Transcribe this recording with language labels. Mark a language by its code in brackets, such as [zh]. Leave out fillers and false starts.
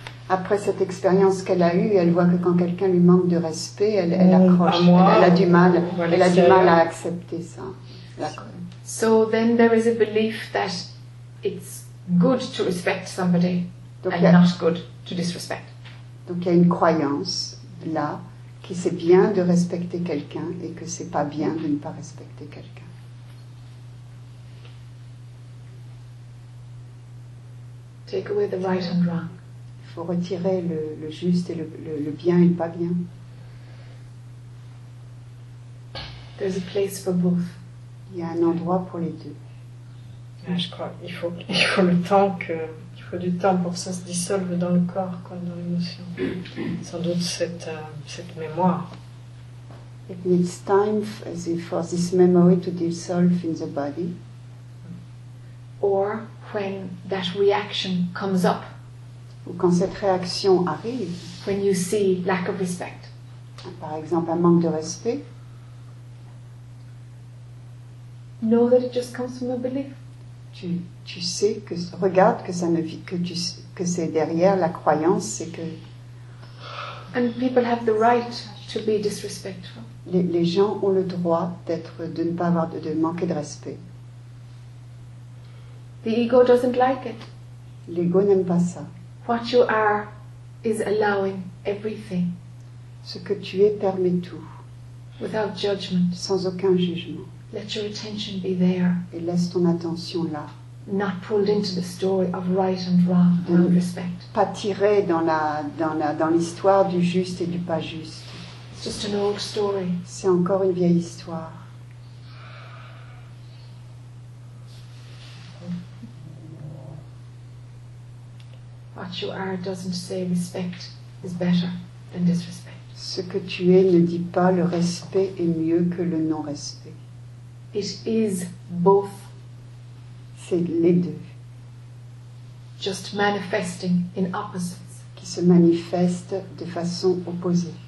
[fr] Après cette expérience qu'elle a eue, elle voit que quand quelqu'un lui manque de respect, elle accroche. Elle a du mal. Elle a du mal à accepter ça. [en] So then there is a belief that it's good to respect somebody. And not good to disrespect. [fr] Donc il y a une croyance là qui c'est bien de respecter quelqu'un et que c'est pas bien de ne pas respecter quelqu'un. [en] Take away the right and wrong. [fr] Il faut retirer le juste et le bien et le pas bien. [en] There's a place for both. [fr] Il y a un endroit pour les deux. Ouais, je crois il faut le temps que. Il faut du temps pour ça se dissolve dans le corps, quoi, dans l'émotion. Sans doute cette mémoire. [en] It needs time for this memory to dissolve in the body. Or when that reaction comes up. [fr] Ou quand cette réaction arrive. [en] When you see lack of respect. [fr] Par exemple, un manque de respect. [en] Know that it just comes from a belief. [fr] Tu sais que regarde que ça ne vit que c'est derrière la croyance, c'est que. [en] And people have the right to be disrespectful. [fr] Les gens ont le droit d'être de ne pas avoir de manquer de respect. [en] The ego doesn't like it. [fr] L'ego n'aime pas ça. [en] What you are is allowing everything. [fr] Ce que tu es permet tout. [en] Without judgment. [fr] Sans aucun jugement. [en] Let your attention be there. [fr] Et laisse ton attention là. [en] Not pulled into the story of right and wrong, wrong respect. [fr] Pas tiré dans l'histoire du juste et du pas juste. [en] It's just an old story. [fr] C'est encore une vieille histoire. [en] What you are doesn't say respect is better than disrespect. [fr] Ce que tu es ne dit pas le respect est mieux que le non-respect. [en] It is both. [fr] C'est les deux. [en] Just manifesting in opposites. [fr] Qui se manifeste de façon opposée.